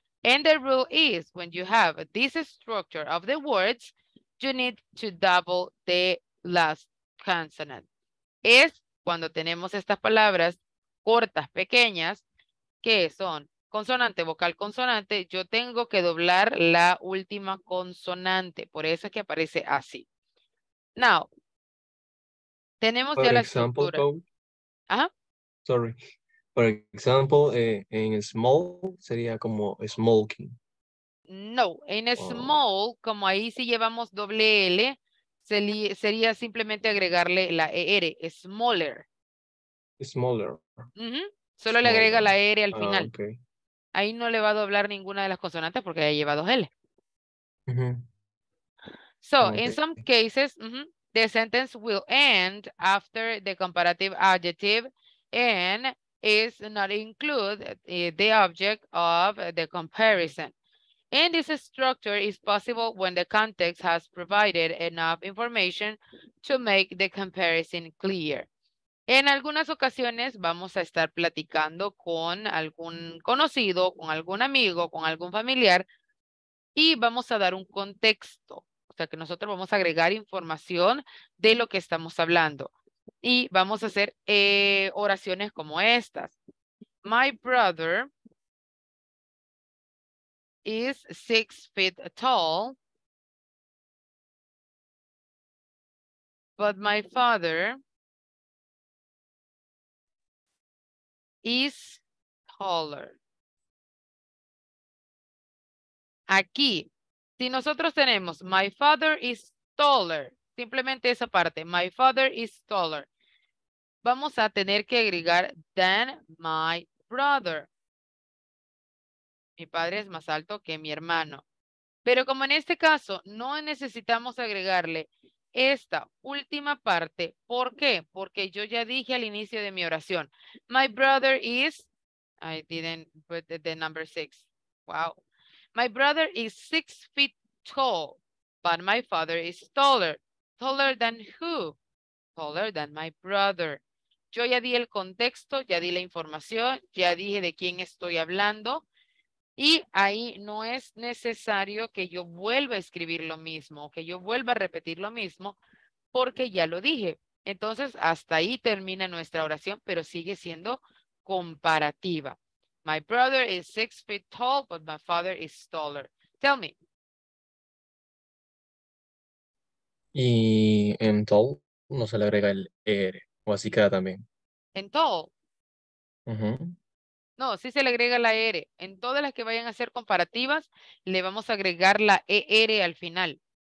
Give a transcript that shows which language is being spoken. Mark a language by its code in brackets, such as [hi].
[en] And the rule is when you have this structure of the words, you need to double the last consonant. [es] Es cuando tenemos estas palabras cortas, pequeñas, que son consonante, vocal, consonante, yo tengo que doblar la última consonante. Por eso es que aparece así. [en] Now, [es] tenemos [en] for [es] ya [en] example, [es] la estructura. Ajá. [en] Sorry. For example, [es] en small sería como smoking. No, en small, como ahí sí llevamos doble L, sería simplemente agregarle la ER, smaller. [en] Smaller. [es] Uh-huh. Solo smaller. Le agrega la R al final. [en] Okay. [es] Ahí no le va a doblar ninguna de las consonantes porque ya lleva dos L. [en] So, okay. In some cases, the sentence will end after the comparative adjective and is not include the object of the comparison. And this structure is possible when the context has provided enough information to make the comparison clear. [es] En algunas ocasiones vamos a estar platicando con algún conocido, con algún amigo, con algún familiar y vamos a dar un contexto, o sea que nosotros vamos a agregar información de lo que estamos hablando y vamos a hacer oraciones como estas. [en] My brother is 6 feet tall, but my father is taller. [es] Aquí, si nosotros tenemos [en] my father is taller, [es] simplemente esa parte, my father is taller, vamos a tener que agregar [en] than my brother. [es] Mi padre es más alto que mi hermano. Pero como en este caso no necesitamos agregarle esta última parte, ¿por qué? Porque yo ya dije al inicio de mi oración, [en] my brother is, I didn't put the number six, wow. My brother is 6 feet tall, but my father is taller. Taller than who? Taller than my brother. [es] Yo ya di el contexto, ya di la información, ya dije de quién estoy hablando. Y ahí no es necesario que yo vuelva a escribir lo mismo, que yo vuelva a repetir lo mismo, porque ya lo dije. Entonces, hasta ahí termina nuestra oración, pero sigue siendo comparativa. [en] My brother is 6 feet tall, but my father is taller. Tell me. [es] Y en tall no se le agrega el er, o así queda también. En tall. Uh-huh. No, sí se le agrega la ER. En todas las que vayan a ser comparativas, le vamos a agregar la ER al final.